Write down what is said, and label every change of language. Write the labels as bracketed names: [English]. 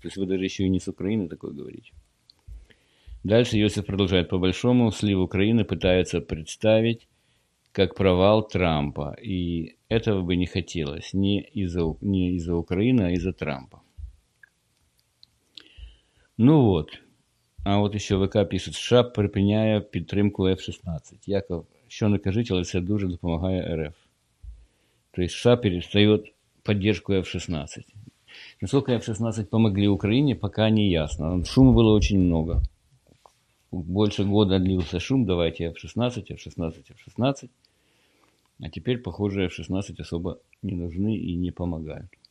[Russian] То есть вы даже еще и не с Украины такое говорите. Дальше Иосиф продолжает: «По-большому слив Украины пытаются представить как провал Трампа. И этого бы не хотелось не из-за Украины, а из-за Трампа». Ну вот. А вот еще ВК пишет: [Ukrainian] «США припиняє підтримку F-16. Яков, що не кажіть, але це дуже допомагає РФ». [Russian] То есть США перестает поддержку F-16. Насколько F-16 помогли Украине, пока не ясно. Шума было очень много. Больше года длился шум: давайте F-16, F-16, F-16. А теперь, похоже, F-16 особо не нужны и не помогают.